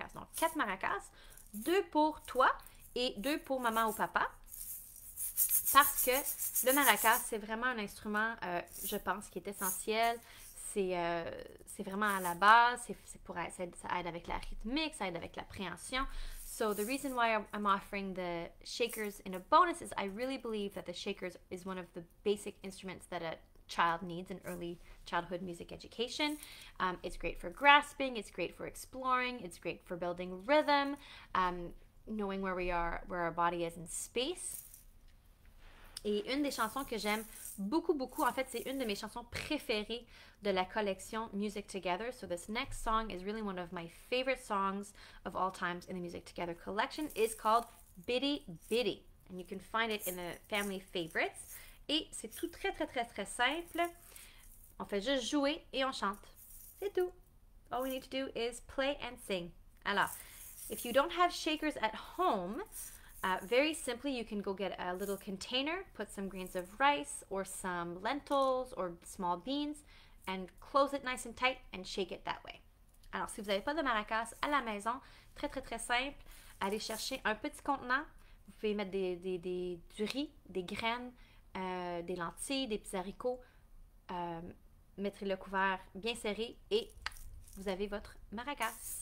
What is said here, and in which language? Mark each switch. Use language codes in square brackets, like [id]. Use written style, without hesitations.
[fr] Donc, 4 maracas, 2 pour toi et 2 pour maman ou papa. Parce que le maracas, c'est vraiment un instrument, je pense, qui est essentiel. C'est vraiment à la base. Ça aide avec la rythmique, ça aide avec l'appréhension. [en] So, the reason why I'm offering the shakers in a bonus is I really believe that the shakers is one of the basic instruments that a child needs in early childhood music education. It's great for grasping, it's great for exploring, it's great for building rhythm, knowing where we are, where our body is in space. [fr] Et une des chansons que j'aime beaucoup, beaucoup, en fait, c'est une de mes chansons préférées de la collection Music Together. [en] So this next song is really one of my favorite songs of all times in the Music Together collection. It's called Bitty Bitty. And you can find it in the family favorites. [fr] Et c'est tout très, très, très, très simple. On fait juste jouer et on chante. C'est tout. [en] All we need to do is play and sing. Alors, if you don't have shakers at home, very simply, you can go get a little container, put some grains of rice or some lentils or small beans, and close it nice and tight and shake it that way. [fr] Alors, si vous n'avez pas de maracas à la maison, très, très, très simple, allez chercher un petit contenant. Vous pouvez mettre du riz, des graines, des lentilles, des petits haricots. Mettez le couvert bien serré et vous avez votre maracas.